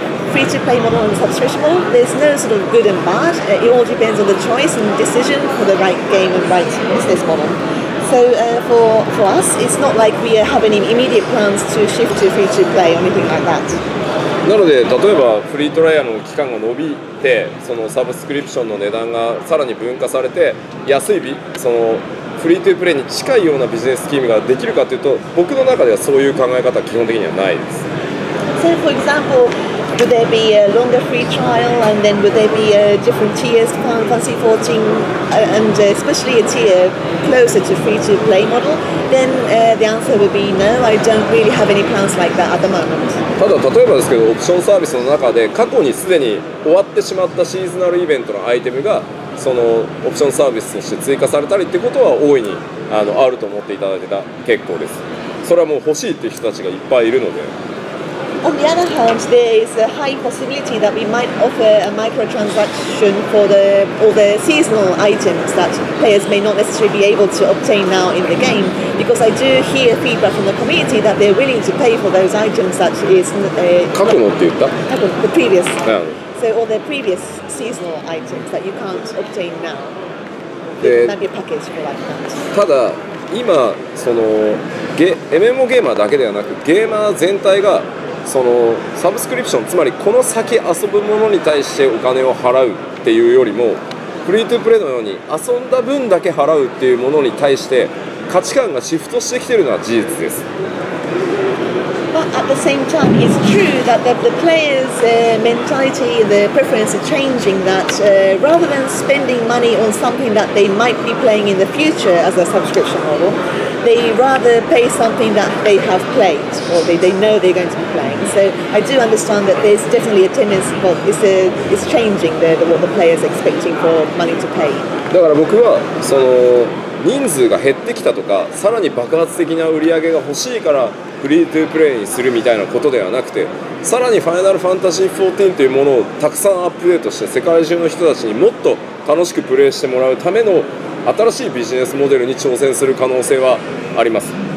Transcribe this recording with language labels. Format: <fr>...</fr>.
<en>free-to-play model and subscription model, there's no sort of good and bad. It all depends on the choice and decision for the right game and right business model. So for us, it's not like we have any immediate plans to shift to free-to-play or anything like that.</en> <ja>なので例えばフリートライアルの期間が伸びてそのサブスクリプションの値段がさらに分化されて安いそのフリートゥープレイに近いようなビジネススキームができるかというと僕の中ではそういう考え方は基本的にはないです。</ja> <en>So for example, would there be a longer free trial and then would there be a different tiers for Final Fantasy XIV and especially a tier closer to free to play model? Then the answer would be no, I don't really have any plans like that at the moment.</en> <ja>ただ例えばですけど、オプションサービスの中で過去にすでに終わってしまったシーズナルイベントのアイテムがそのオプションサービスとして追加されたりってことは大いに あると思っていただいてた結構です。それはもう欲しいっていう人たちがいっぱいいるので。</ja> <en>On the other hand, there is a high possibility that we might offer a microtransaction for the all the seasonal items that players may not necessarily be able to obtain now in the game. Because I do hear feedback from the community that they're willing to pay for those items that is all the previous seasonal items that you can't obtain now. Maybe a package for like that.</en> <ja>ただ今そのMMO ゲーマーだけではなくゲーマー全体がそのサブスクリプションつまりこの先遊ぶものに対してお金を払うっていうよりもフリートゥープレイのように遊んだ分だけ払うっていうものに対して価値観がシフトしてきてるのは事実です。</ja> <en>But at the same time, it's true that the players' mentality, the preference is changing, that rather than spending money on something that they might be playing in the future as a subscription model, they rather pay something that they have played or they know they're going to be playing. So I do understand that there's definitely a tendency, but it's changing what the players are expecting for money to pay.</en> <ja>だから僕はその人数が減ってきたとか、さらに爆発的な売り上げが欲しいから、フリートゥープレイにするみたいなことではなくてさらにファイナルファンタジー14というものをたくさんアップデートして世界中の人たちにもっと楽しくプレイしてもらうための新しいビジネスモデルに挑戦する可能性はあります。</ja>